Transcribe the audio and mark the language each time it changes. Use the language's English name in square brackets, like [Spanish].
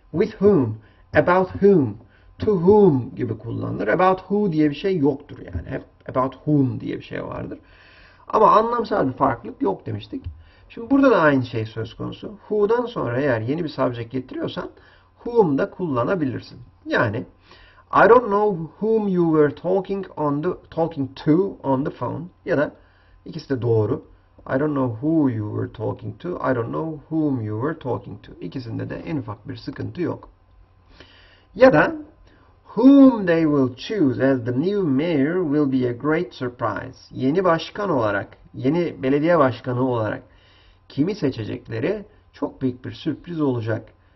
[English] With whom, about whom, to whom [Turkish] gibi kullanılır. About who diye bir şey yoktur yani. Hep about whom diye bir şey vardır. Ama anlamsal bir farklılık yok demiştik. Şimdi burada da aynı şey söz konusu. Who'dan sonra eğer yeni bir subject getiriyorsan whom da kullanabilirsin. Yani [English] I don't know whom you were talking to on the phone [Turkish] ya da ikisi de doğru. [English] I don't know who you were talking to. I don't know whom you were talking to. [Turkish] İkisinde de en ufak bir sıkıntı yok. Ya da [English] whom they will choose as the new mayor will be a great surprise. [Turkish] Yeni başkan olarak, yeni belediye başkanı olarak kimi seçecekleri çok büyük bir sürpriz olacak.